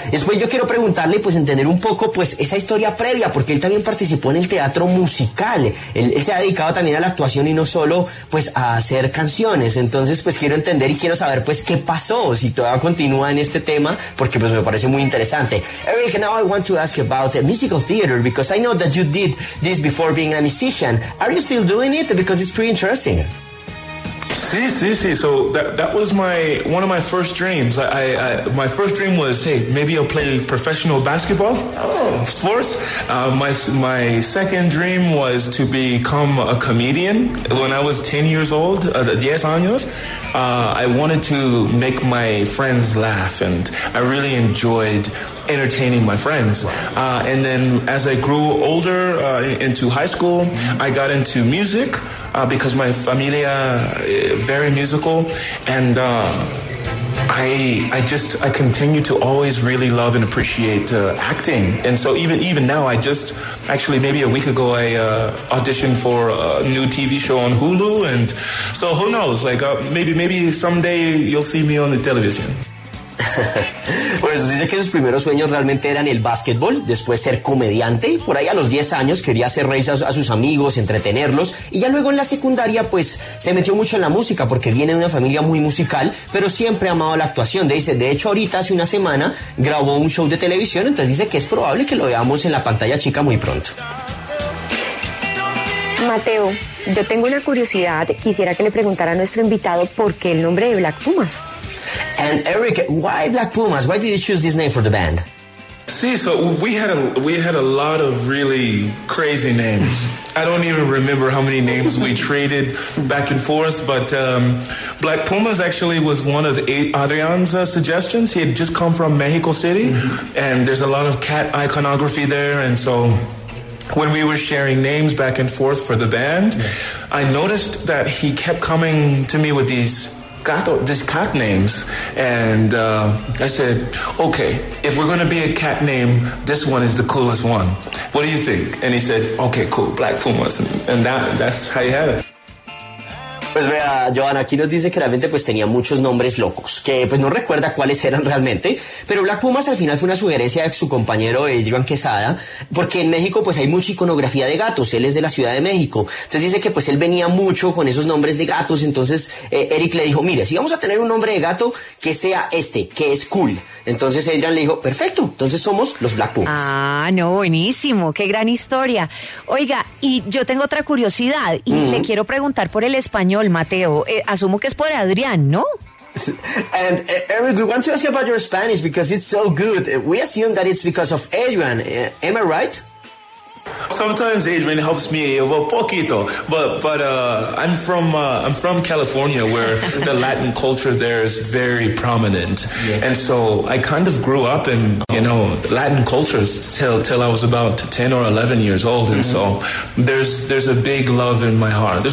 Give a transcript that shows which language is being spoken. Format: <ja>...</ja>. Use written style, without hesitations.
<es>Después yo quiero preguntarle, pues entender un poco, pues esa historia previa, porque él también participó en el teatro musical, él se ha dedicado también a la actuación y no solo, pues, a hacer canciones. Entonces, pues quiero entender y quiero saber, pues, qué pasó, si todavía continúa en este tema, porque pues me parece muy interesante.</es> <en>Eric, now I want to ask you about musical theater, because I know that you did this before being a musician. Are you still doing it? Because it's pretty interesting.</en> <es>Sí.</es> <en>So that was one of my first dreams. My first dream was, hey, maybe I'll play professional basketball. Oh, sports. My second dream was to become a comedian. When I was 10 years old,</en> <es>10 años,</es> <en>I wanted to make my friends laugh, and I really enjoyed entertaining my friends. And then as I grew older into high school, I got into music. Because my familia is very musical, and I continue to always really love and appreciate acting. And so even now, I just, actually maybe a week ago, I auditioned for a new TV show on Hulu, and so who knows, like maybe someday you'll see me on the television.</en> <es>Pues dice que sus primeros sueños realmente eran el básquetbol, después ser comediante y por ahí a los 10 años quería hacer reír a sus amigos, entretenerlos y ya luego en la secundaria pues se metió mucho en la música porque viene de una familia muy musical, pero siempre ha amado la actuación. Dice, de hecho ahorita hace una semana grabó un show de televisión, entonces dice que es probable que lo veamos en la pantalla chica muy pronto. Mateo, yo tengo una curiosidad, quisiera que le preguntara a nuestro invitado por qué el nombre de Black Pumas.</es> <en>And Eric, why Black Pumas? Why did you choose this name for the band? See, so we had a lot of really crazy names. I don't even remember how many names we traded back and forth, but Black Pumas actually was one of Adrian's suggestions. He had just come from Mexico City, and there's a lot of cat iconography there, and so when we were sharing names back and forth for the band, I noticed that he kept coming to me with these cat names, and I said, okay, if we're going to be a cat name, this one is the coolest one. What do you think? And he said, okay, cool, Black Pumas, and that's how you have it.</en> <es>Pues vea, Joana, aquí nos dice que realmente pues tenía muchos nombres locos, que pues no recuerda cuáles eran realmente, pero Black Pumas al final fue una sugerencia de su compañero Adrian Quesada, porque en México pues hay mucha iconografía de gatos, él es de la Ciudad de México, entonces dice que pues él venía mucho con esos nombres de gatos, entonces Eric le dijo, mire, si vamos a tener un nombre de gato, que sea este, que es cool. Entonces Adrian le dijo, perfecto, entonces somos los Black Pumas. Ah, no, buenísimo, qué gran historia. Oiga, y yo tengo otra curiosidad y le quiero preguntar por el español. Mateo, asumo que es por Adrián, ¿no?</es> <en>And Eric, we want to ask you about your Spanish because it's so good. We assume that it's because of Adrián. Am I right? Sometimes Adrián helps me a poquito, but I'm from California, where the Latin culture there is very prominent, and so I kind of grew up in, you know, Latin cultures till I was about 10 or 11 years old, and so there's a big love in my heart.</en>